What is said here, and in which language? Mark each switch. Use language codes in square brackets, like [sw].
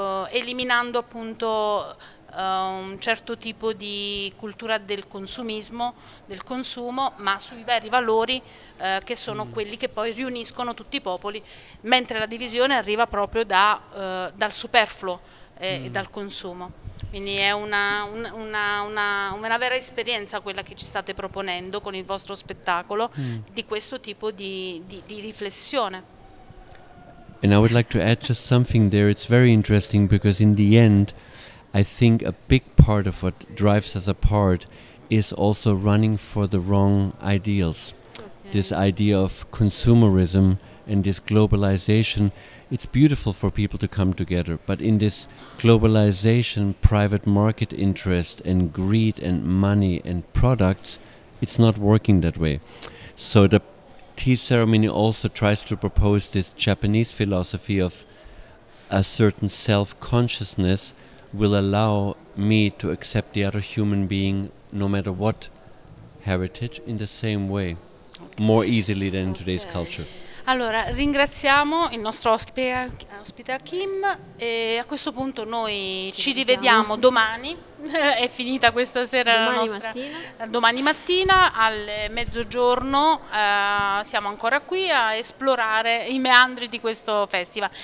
[it] eliminando appunto un certo tipo di cultura del consumismo, del consumo, ma sui veri valori che sono quelli che poi riuniscono tutti i popoli, mentre la divisione arriva proprio dal superfluo e dal consumo. Quindi è una vera esperienza quella che ci state proponendo con il vostro spettacolo di questo tipo di riflessione. [en] And I would like to add just something there. It's very interesting because in the end, I think a big part of what drives us apart is also running for the wrong ideals. Okay. This idea of consumerism and this globalization, it's beautiful for people to come together. But in this globalization, private market interest and greed and money and products, it's not working that way. So the Tea Ceremony also tries to propose this Japanese philosophy of a certain self-consciousness will allow me to accept the other human being no matter what heritage in the same way, more easily than in today's culture. [it] Allora, ringraziamo il nostro ospite Achim, e a questo punto noi ci rivediamo domani. È finita questa sera domani la nostra mattina. Domani mattina al mezzogiorno siamo ancora qui a esplorare i meandri di questo festival.